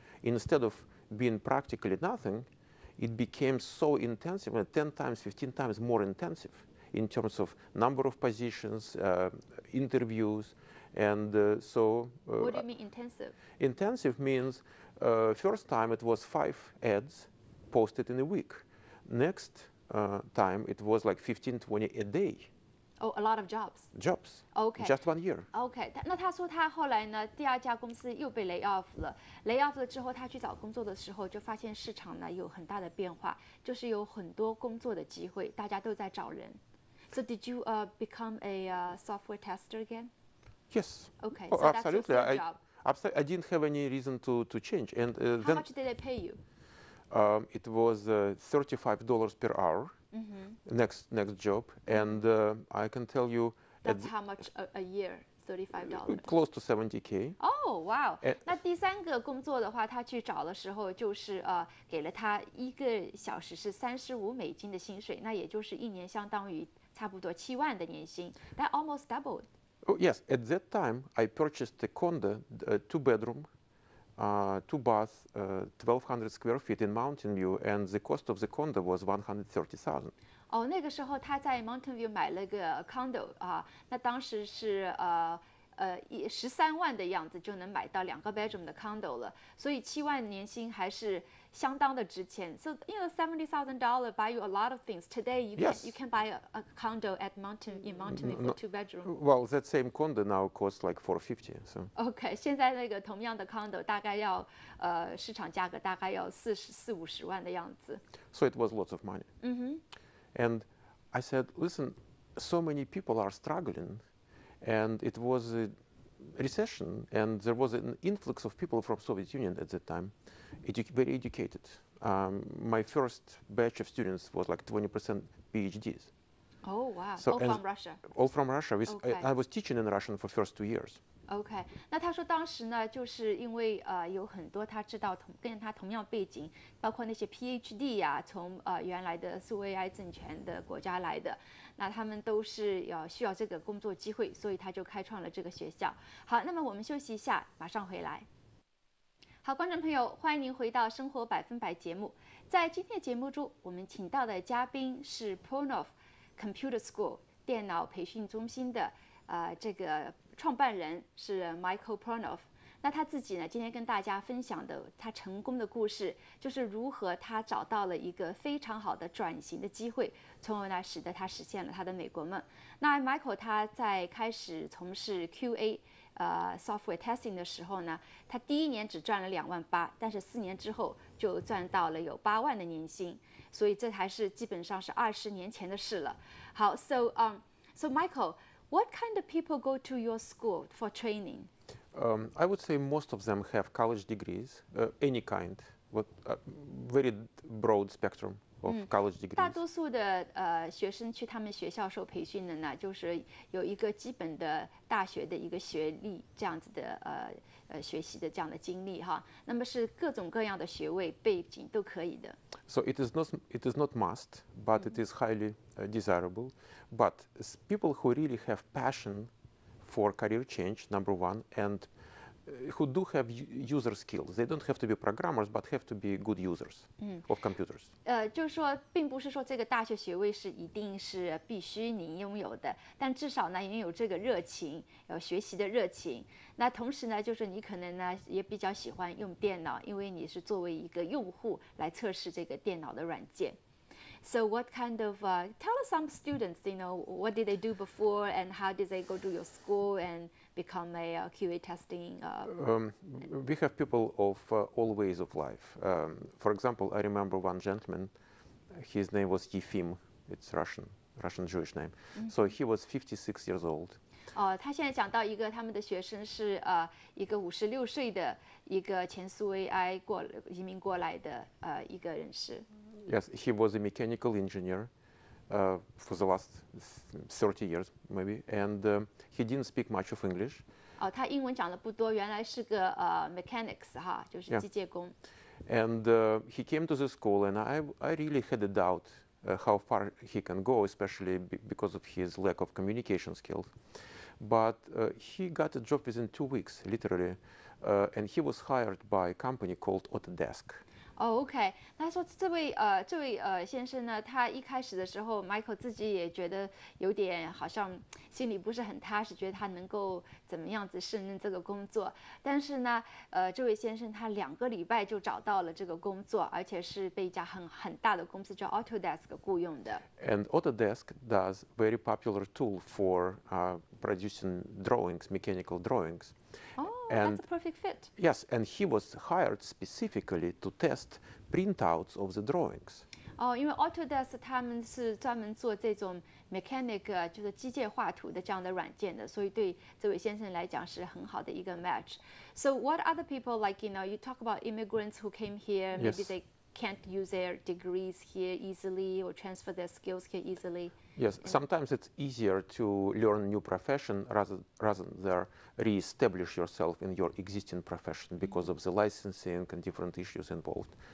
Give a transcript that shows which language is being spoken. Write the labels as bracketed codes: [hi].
[en] instead of being practically nothing, it became so intensive, 10 times, 15 times more intensive in terms of number of positions, interviews, and so. What do you mean intensive? Intensive means first time it was 5 ads posted in a week. Next time it was like 15, 20 a day. Oh, a lot of jobs. Jobs. Okay. Just 1 year. Okay. [zh] 那他说他后来呢，第二家公司又被 lay off 了。lay off 了之后，他去找工作的时候，就发现市场呢有很大的变化，就是有很多工作的机会，大家都在找人。 [en] So did you become a software tester again? Yes. Okay. Oh, so absolutely. That's your same job. I didn't have any reason to change. And how much did they pay you? It was $35 per hour. Mm-hmm. Next job, and I can tell you that's how much a year, $35, close to 70k. Oh wow! [zh] 那第三个工作的话，他去找的时候就是给了他一个小时是$35的薪水，那也就是一年相当于差不多70,000的年薪。 [en] That almost doubled. Oh yes, at that time I purchased a condo, a two-bedroom, two baths, 1,200 square feet in Mountain View, and the cost of the condo was $130,000. [zh] 哦，那个时候他在 Mountain View 买了个 condo 啊，那当时是13万的样子就能买到两个 bedroom 的 condo 了，所以七万年薪还是相当的值钱。 [en] So you know $70,000 buy you a lot of things. Today you can, you can buy a condo at Mountain View for two bedroom. Well, that same condo now costs like $450,000. So [zh] okay, 现在那个同样的 condo 大概要市场价格大概要40-50万的样子。 [en] So it was lots of money. Mm-hmm. And I said, listen, so many people are struggling. And it was a recession, and there was an influx of people from Soviet Union at that time, very educated. My first batch of students was like 20% PhDs. Oh, wow. So all from Russia? All from Russia. I was teaching in Russian for the first 2 years. Okay. [zh] 那他说当时呢，就是因为有很多他知道同跟他同样背景，包括那些 PhD 呀、啊，从原来的苏维埃政权的国家来的，那他们都是要需要这个工作机会，所以他就开创了这个学校。好，那么我们休息一下，马上回来。好，观众朋友，欢迎您回到《生活百分百》节目。在今天节目中，我们请到的嘉宾是 Portnov Computer School 电脑培训中心的这个。创办人是 Mikhail Portnov， 那他自己呢？今天跟大家分享的他成功的故事，就是如何他找到了一个非常好的转型的机会，从而呢使得他实现了他的美国梦。那 Mikhail 他在开始从事 QA， software testing 的时候呢，他第一年只赚了28,000，但是四年之后就赚到了有80,000的年薪，所以这还是基本上是20年前的事了。好 [en] ，so Mikhail。 What kind of people go to your school for training? I would say most of them have college degrees, any kind, with a very broad spectrum of college degrees. [zh] 大多数的学生去他们学校受培训的呢，就是有一个基本的大学的一个学历这样子的学习的这样的经历哈。那么是各种各样的学位背景都可以的。 [en] So it is not must, but it is highly desirable. But people who really have passion for career change, number one, and who do have user skills, they don't have to be programmers, but have to be good users of computers. [zh] 就是说，并不是说这个大学学位是一定是必须您拥有的，但至少呢，您有这个热情，有学习的热情。那同时呢，就是你可能呢也比较喜欢用电脑，因为你是作为一个用户来测试这个电脑的软件。 [en] So what kind of, tell us some students, you know, what did they do before and how did they go to your school and become a QA testing? We have people of all ways of life. For example, I remember one gentleman, his name was Yefim, it's Russian Jewish name. Mm-hmm. So he was 56 years old. [zh] 他现在讲到一个他们的学生是一个56岁的一个前苏维埃移民过来的一个人士。 [en] Yes, he was a mechanical engineer for the last 30 years, maybe, and he didn't speak much of English. [zh] Oh, 他英文讲的不多，原来是个mechanics 哈，就是机械工。 [en] And he came to the school, and I really had a doubt how far he can go, especially because of his lack of communication skills. But he got a job within 2 weeks, literally. And he was hired by a company called Autodesk. Oh, okay. [zh] 他说这位先生呢，他一开始的时候 ，Michael 自己也觉得有点好像心里不是很踏实，觉得他能够怎么样子胜任这个工作。但是呢，这位先生他两个礼拜就找到了这个工作，而且是被一家很大的公司叫 Autodesk 雇佣的。 [en] And Autodesk does very popular tool for producing drawings, mechanical drawings. And that's a perfect fit. Yes, and he was hired specifically to test printouts of the drawings. [zh] Oh, because Autodesk 他们是专门做这种 mechanical 就是机械画图的这样的软件的，所以对这位先生来讲是很好的一个 match. [en] So what other people like? You know, you talk about immigrants who came here. Yes. Maybe they can't use their degrees here easily or transfer their skills here easily. Yes, sometimes it's easier to learn a new profession rather than re-establish yourself in your existing profession because of the licensing and different issues involved.